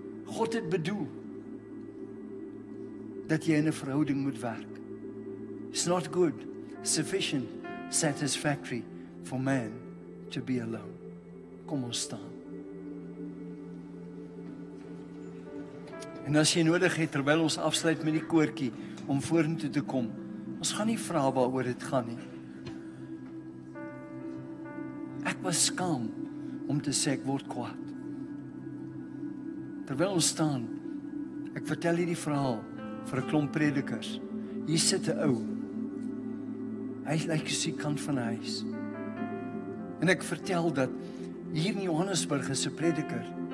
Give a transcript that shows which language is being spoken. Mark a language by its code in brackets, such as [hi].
[af] God het bedoel, dat jy in een verhouding moet werk. [en] It's not good, sufficient, satisfactory, for man to be alone. [af] Kom ons staan. En as jy nodig het, terwyl ons afsluit met die koorkie, om vorentoe te kom, ons gaan nie vra waaroor dit gaan nie. Ek was skaam om te sê, ek word kwaad. Terwyl ons staan, ek vertel hierdie verhaal vir 'n klomp predikers. Hier sit 'n ou, hy lyk soos die kant van die huis. En ek vertel dat hier in Johannesburg is een prediker.